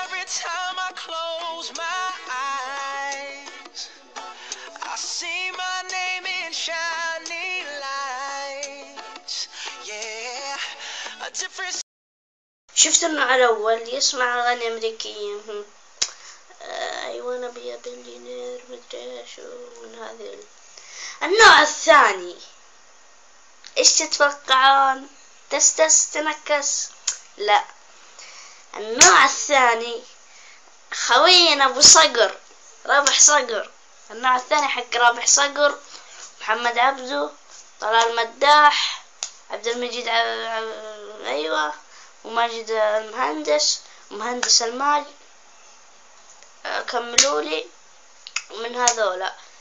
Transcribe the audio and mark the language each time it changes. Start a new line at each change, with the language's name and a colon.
English: Time I close my eyes, I see my name in shiny lights. Yeah, a different.
Arabic: شفت النوع الأول يسمع أغاني أمريكية.
English: I wanna be a billionaire
Arabic: مدري إيش ومن هذي. النوع الثاني إيش تتوقعون؟ تستس تنكس؟ لا، النوع الثاني خوينا ابو صقر، رابح صقر. النوع الثاني حق رابح صقر، محمد عبده، طلال مداح، عبد المجيد ايوه، وماجد المهندس، مهندس المال، كملوا لي من هذولا.